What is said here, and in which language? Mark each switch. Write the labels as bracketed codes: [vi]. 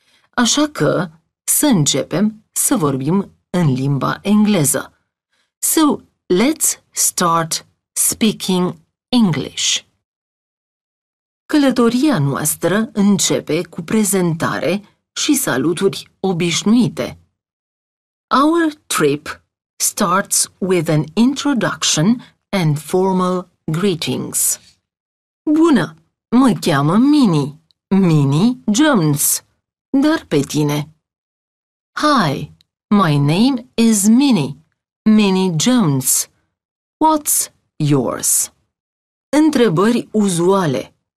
[ro] Așa că să începem să vorbim în limba engleză. [en] So, let's start speaking English. [ro] Călătoria noastră începe cu prezentare și saluturi obișnuite. [en] Our trip starts with an introduction and formal greetings. [ro] Bună, mă cheamă Minnie, Minnie Jones. Dar pe tine? [en] Hi, my name is Minnie, Minnie Jones. What's yours? [ro] Întrebări uzuale.